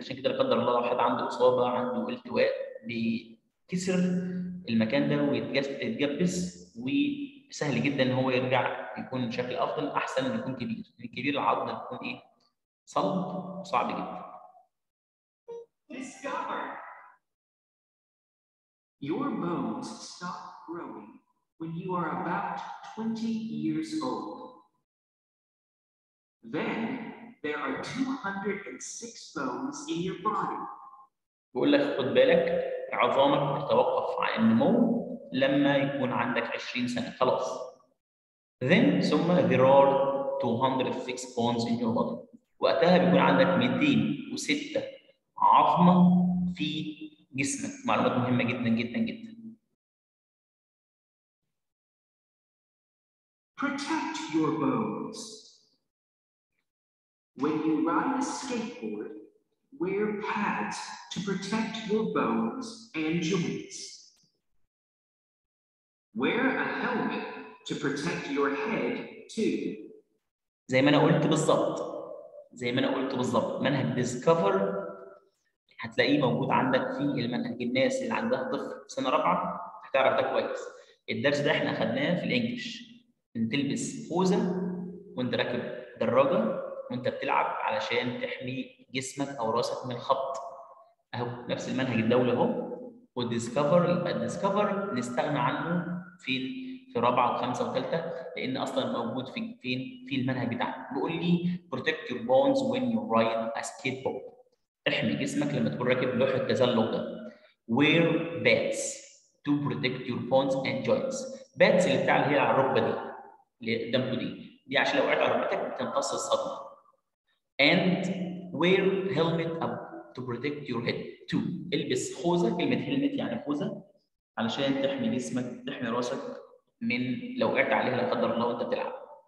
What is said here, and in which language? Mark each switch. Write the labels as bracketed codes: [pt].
[ar] عشان كده لا قدر الله واحد عنده إصابة، عنده التواء، بيكسر المكان ده ويتجبس، وسهل جدا ان هو يرجع يكون بشكل افضل احسن ان يكون كبير. الكبير العظم بيكون ايه؟ صلب وصعب جدا. [en] This Your bones stop growing when you are about 20 years old. Then there are 206 bones in your body. [ar] بقول لك خد بالك عظامك بتتوقف عن النمو لما يكون عندك 20 سنة خلاص. [en] Then ثم there are 206 bones in your body. [ar] وقتها بيكون عندك 206 عظمة في جسمك. معلومات مهمة جدا جدا جدا. [en] Protect your bones. When you ride a skateboard, wear pads to protect your bones and joints. Wear a helmet to protect your head too. [ar] زي ما انا قلت بالظبط زي ما انا قلت بالظبط منهج ديسكفر هتلاقيه موجود عندك في المنهج. الناس اللي عندها طفل سنه رابعه هتعرف ده كويس. الدرس ده احنا اخدناه في الانجليش ان تلبس خوذه وانت راكب دراجه وانت بتلعب علشان تحمي جسمك او راسك من الخبط. اهو نفس المنهج الدولي اهو. والديسكفر يبقى الديسكفر نستغنى عنه في رابعه وخمسه وثالثه لان اصلا موجود في فين في المنهج بتاعنا. بيقول لي [en] protect your bones when you ride a skateboard. [ar] احمي جسمك لما تكون راكب لوح التزلج ده. [en] Wear bats to protect your bones and joints. [ar] Bats اللي بتاع هي على الركبه دي اللي قدامك دي عشان لو وقعت على ركبتك بتمتص الصدمه. [en] And wear helmet up to protect your head too. [ar] البس خوذه كلمه helmet يعني خوذه علشان تحمي جسمك تحمي راسك من لو وقعت عليها لا قدر الله وانت بتلعب.